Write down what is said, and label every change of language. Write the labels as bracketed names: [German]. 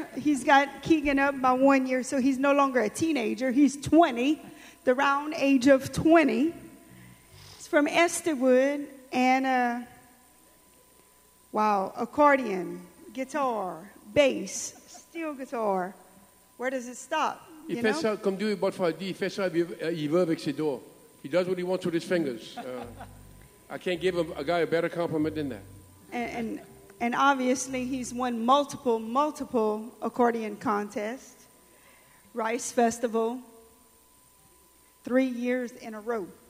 [English] He's got Keegan up by 1 year, so he's no longer a teenager. He's 20, the round age of 20. He's from Estherwood, and accordion, guitar, bass, steel guitar. Where does it stop? [French] Il fait ça comme Dieu veut faire. Il fait ça, il veut avec ses doigts. [English] He does what he wants with his fingers. I can't give a guy a better compliment than that. And obviously, he's won multiple accordion contests, Rice Festival, 3 years in a row.